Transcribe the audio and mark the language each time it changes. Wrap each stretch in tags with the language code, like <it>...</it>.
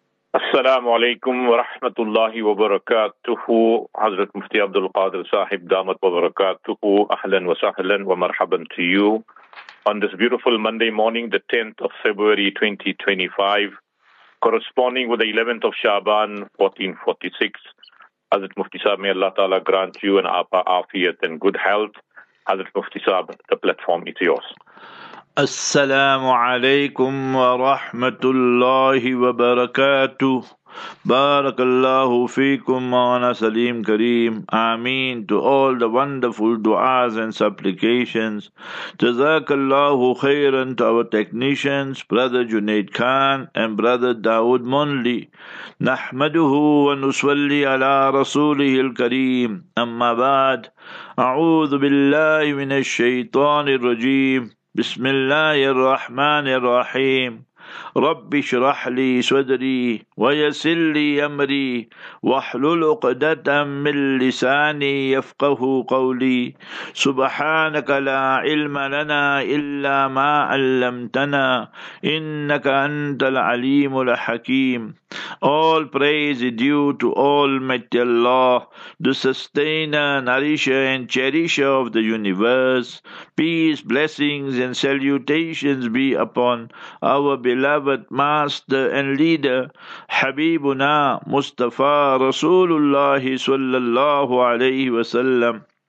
<ar>السلام عليكم ورحمة الله وبركاته. حضرة مفتي عبد القادر صاحب دامت وبركاته. أهلا وسهلا ومرحبا</ar> <en>to you on this beautiful Monday morning, the 10th of February 2025, corresponding with the 11th of Shaban 1446. Hazrat Mufti Sahib, may Allah Ta'ala grant you and Apa Afiyat and good health. Hazrat Mufti Sahib, the platform is yours.</en> <ar>السلام عليكم ورحمة الله وبركاته. بارك الله فيكم مولانا سليم كريم.</ar> <en>آمين to all the wonderful du'as and supplications.</en> <ar>جزاك الله خيرا</ar> <en>to our technicians, brother Junaid Khan and brother Dawood Monley.</en> <ar>نحمده ونصلي على رسوله الكريم. أما بعد, أعوذ بالله من الشيطان الرجيم. بسم الله الرحمن الرحيم. رب اشرح لي صدري ويسر لي امري واحلل عقدة من لساني يفقه قولي. سبحانك لا علم لنا الا ما علمتنا انك انت العليم الحكيم.</ar> <en>All praise is due to Almighty Allah, the sustainer, nourisher and cherisher of the universe. Peace, blessings and salutations be upon our beloved master and leader, Habibuna Mustafa Rasulullah sallallahu alayhi wa sallam.</en>